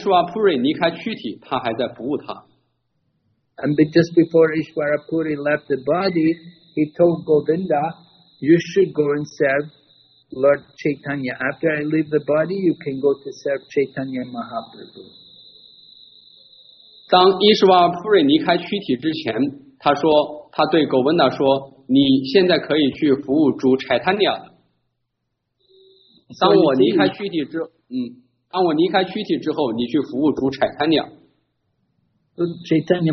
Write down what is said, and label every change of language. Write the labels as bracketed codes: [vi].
[zh] 他是伊什瓦普瑞的一个贴身的仆人，直到伊什瓦普瑞离开躯体，他还在服务他。 [en] And just before Ishwara Puri left the body, he told Govinda, you should go and serve Lord Chaitanya. After I leave the body, you can go to serve Chaitanya Mahaprabhu. [zh] 当伊什瓦普瑞离开躯体之前，他说，他对狗问他说，你现在可以去服务主柴塔尼亚。当我离开躯体之后，你去服务主柴塔尼亚。Chaitanya